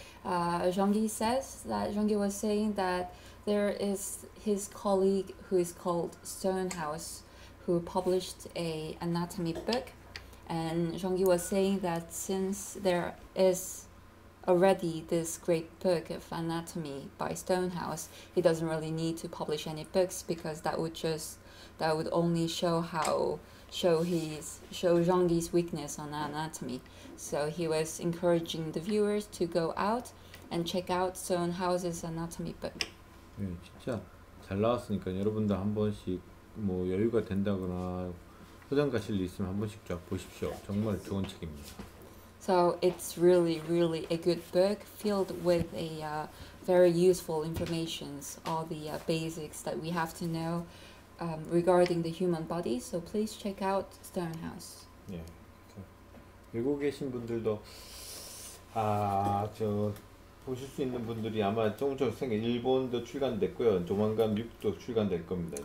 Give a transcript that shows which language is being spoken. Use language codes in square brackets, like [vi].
[en] Jeongi says that Jeongi was saying that there is his colleague who is called Stonehouse who published a anatomy book, and Jeongi was saying that since there is already this great book of anatomy by Stonehouse, he doesn't really need to publish any books because that would only show Jeongi's weakness on anatomy. So he was encouraging the viewers to go out and check out Stonehouse's anatomy book. [ko] 네, 진짜 잘 나왔으니까 여러분도 한 번씩 뭐 여유가 된다거나 서점 가실 일 있으면 한 번씩 쫙 보십시오. 정말 좋은 책입니다. [en] So it's really, really a good book filled with a very useful information, all the basics that we have to know regarding the human body. So please check out Stonehouse. [ko] 네, 외국 계신 분들도 아 저 보실 수 있는 분들이 아마 조금 생긴 일본도 출간됐고요. 조만간 미국도 출간될 겁니다.